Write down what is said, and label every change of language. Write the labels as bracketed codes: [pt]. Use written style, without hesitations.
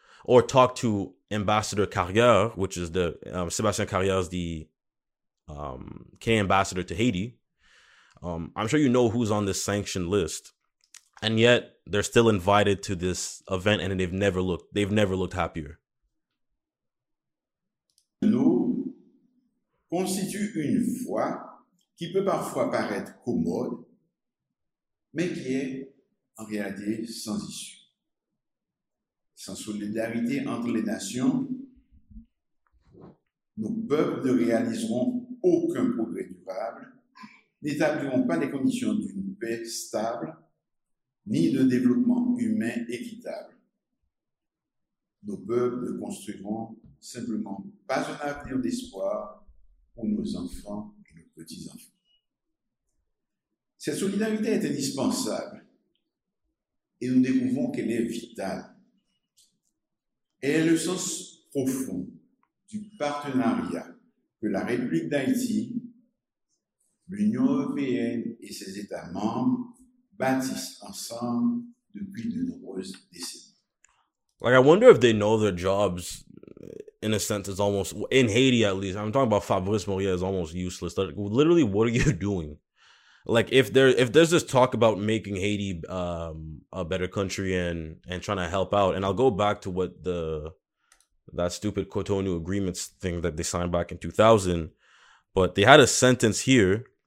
[en] Or talk to Ambassador Carrière, which is the Sébastien Carrière is the Canadian ambassador to Haiti. I'm sure you know who's on this sanctioned list, and yet they're still invited to this event, and they've never looked happier. [fr] Nous constitue une voix qui peut parfois paraître commode, mais qui est en réalité sans issue. Sans solidarité entre les nations, nos peuples ne réaliseront aucun progrès durable, n'établiront pas les conditions d'une paix stable, ni d'un développement humain équitable. Nos peuples ne construiront simplement pas un avenir d'espoir pour nos enfants et nos petits-enfants. Cette solidarité est indispensable et nous découvrons qu'elle est vitale. Et le sens profond du partenariat que la République d'Haïti, l'Union européenne et ses États membres bâtissent ensemble depuis de nombreuses décennies. [en] Like, I wonder if they know their jobs, in a sense, is almost, in Haiti at least, I'm talking about Fabrice Morier, is almost useless. Like, literally, what are you doing? Like, if there's this talk about making Haiti a better country and trying to help out, and I'll go back to what that stupid Cotonou agreements thing that they signed back in 2000, but they had a sentence here.